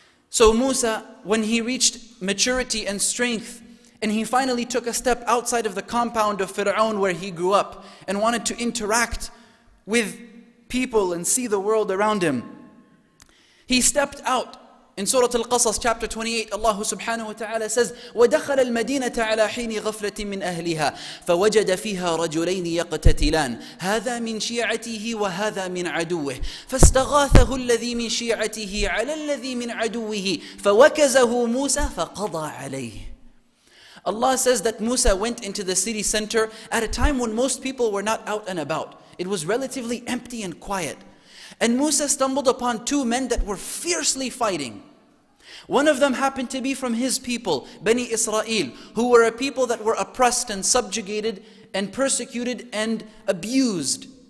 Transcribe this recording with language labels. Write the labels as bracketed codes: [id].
[en] So Musa, when he reached maturity and strength, and he finally took a step outside of the compound of Fir'aun where he grew up, and wanted to interact with people and see the world around him, he stepped out. In Surah Al-Qasas, chapter 28, Allah subhanahu wa ta'ala says, [ar] وَدَخَلَ الْمَدِينَةَ عَلَى حِينِ غَفْلَةٍ مِّنْ أَهْلِهَا فَوَجَدَ فِيهَا رَجُلَيْنِ يَقْتَتِلَانِ هَذَا مِنْ شِيَعَتِهِ وَهَذَا مِنْ عَدُوِّهِ فَاسْتَغَاثَهُ الَّذِي مِنْ شِيَعَتِهِ عَلَى الَّذِي مِنْ عَدُوِّهِ فَوَكَزَهُ مُوسَى فَقَضَى عَلَيْهِ. [en] Allah says that Musa went into the city center at a time when most people were not out and about. It was relatively empty and quiet. And Musa stumbled upon two men that were fiercely fighting. One of them happened to be from his people, Bani Israel, who were a people that were oppressed and subjugated and persecuted and abused.